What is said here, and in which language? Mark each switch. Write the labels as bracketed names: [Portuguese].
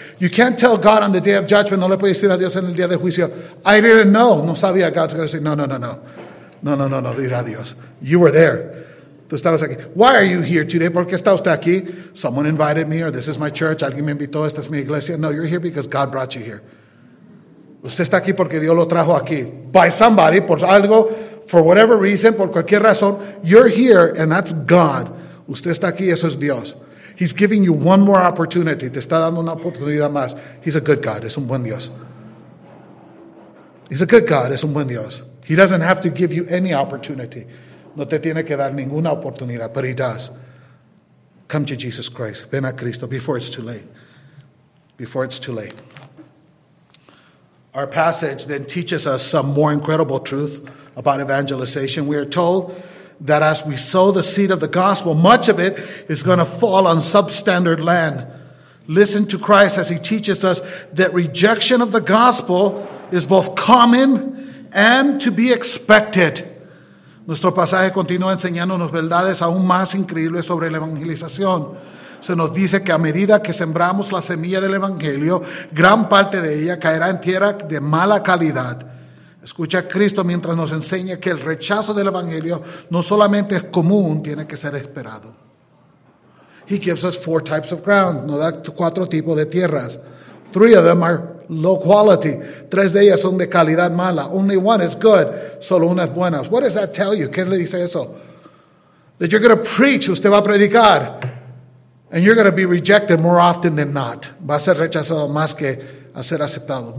[English] You can't tell God on the day of judgment, [Spanish] no le puede decir a Dios en el día de juicio, [English] I didn't know, [Spanish] no sabía. [English] God's going to say, [Spanish] no, dirá Dios. [English] You were there. [Spanish] Tú estabas aquí. [English] Why are you here today? [Spanish] ¿Por qué está usted aquí? [English] Someone invited me, or this is my church, [Spanish] alguien me invitó, esta es mi iglesia. [English] No, you're here because God brought you here. [Spanish] Usted está aquí porque Dios lo trajo aquí. [English] By somebody, [Spanish] por algo, [English] for whatever reason, [Spanish] por cualquier razón, [English] you're here and that's God. [Spanish] Usted está aquí, eso es Dios. [English] He's giving you one more opportunity. [Spanish] Te está dando una oportunidad más. [English] He's a good God. [Spanish] Es un buen Dios. He's a good God. Es un buen Dios. [English] He doesn't have to give you any opportunity. [Spanish] No te tiene que dar ninguna oportunidad. [English] But he does. Come to Jesus Christ. [Spanish] Ven a Cristo [English] before it's too late. Before it's too late. Our passage then teaches us some more incredible truth about evangelization. We are told that as we sow the seed of the gospel, much of it is going to fall on substandard land. Listen to Christ as he teaches us that rejection of the gospel is both common and to be expected. [Spanish] Nuestro pasaje continúa enseñándonos verdades aún más increíbles sobre la evangelización. Se nos dice que a medida que sembramos la semilla del evangelio, gran parte de ella caerá en tierra de mala calidad. Escucha a Cristo mientras nos enseña que el rechazo del evangelio no solamente es común, tiene que ser esperado. [English] He gives us four types of ground. [Spanish] Nos da cuatro tipos de tierras. [English] Three of them are low quality. [Spanish] Tres de ellas son de calidad mala. [English] Only one is good. [Spanish] Solo una es buena. [English] What does that tell you? [Spanish] ¿Qué le dice eso? [English] That you're going to preach. [Spanish] Usted va a predicar. [English] And you're going to be rejected more often than not. [Spanish] Va a ser rechazado más que a ser aceptado.